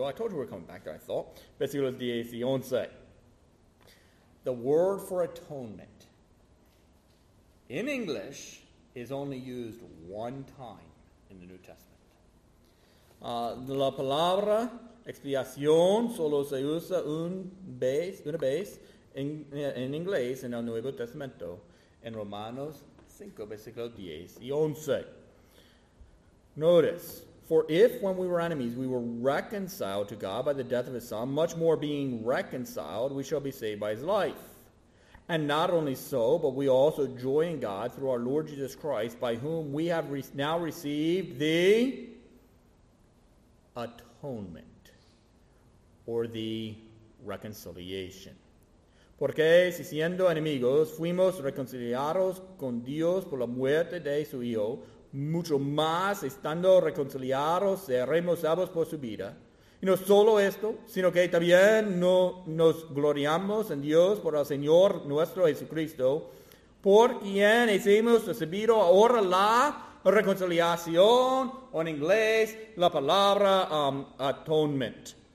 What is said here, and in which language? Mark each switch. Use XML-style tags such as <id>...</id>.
<en>I told you we're coming back there, I thought.</en> <es>Versículos 10 y 11.</es> <en>The word for atonement in English is only used one time in the New Testament.</en> <es>La palabra expiación solo se usa una vez en inglés en el Nuevo Testamento, en Romanos 5, versículos 10 y 11.</es> <en>Notice, for if when we were enemies we were reconciled to God by the death of his Son, much more being reconciled we shall be saved by his life. And not only so, but we also joy in God through our Lord Jesus Christ, by whom we have now received the atonement, or the reconciliation.</en> <es>Porque si siendo enemigos fuimos reconciliados con Dios por la muerte de su Hijo, mucho más estando reconciliados seremos salvos por su vida. Y no solo esto, sino que también nos gloriamos en Dios por el Señor nuestro Jesucristo, por quien hemos recibido ahora la reconciliación, o en inglés, la palabra atonement.</es>